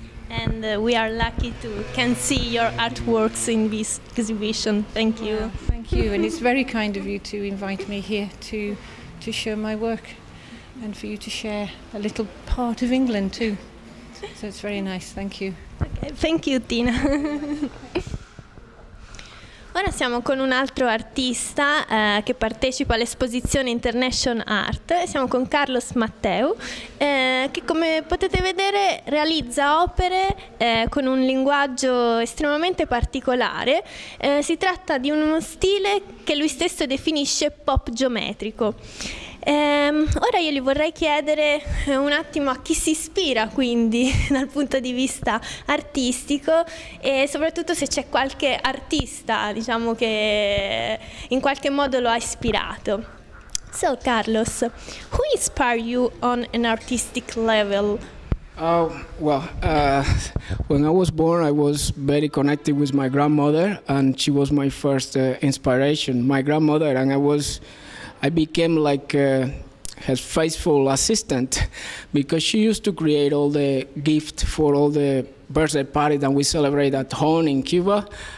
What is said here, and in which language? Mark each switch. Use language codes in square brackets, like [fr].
[en] And we are lucky to can see your artworks in this exhibition. Thank you. Yeah, thank you, and it's very kind of you to invite me here to show my work. And for you to share a little part of England too. So it's very nice, thank you. Okay, thank you, Tina. [it] Ora siamo con un altro artista che partecipa all'esposizione InternationART. Siamo con Carlos Matteu, che come potete vedere realizza opere con un linguaggio estremamente particolare. Si tratta di uno stile che lui stesso definisce pop geometrico. Ora io gli vorrei chiedere un attimo a chi si ispira, quindi, dal punto di vista artistico, e soprattutto se c'è qualche artista, diciamo, che in qualche modo lo ha ispirato. [en] So, Carlos, who inspired you on an artistic level? When I was born, I was very connected with my grandmother, and she was my first inspiration. My grandmother, and I became like her faithful assistant, because she used to create all the gift for all the birthday parties that we celebrate at home in Cuba.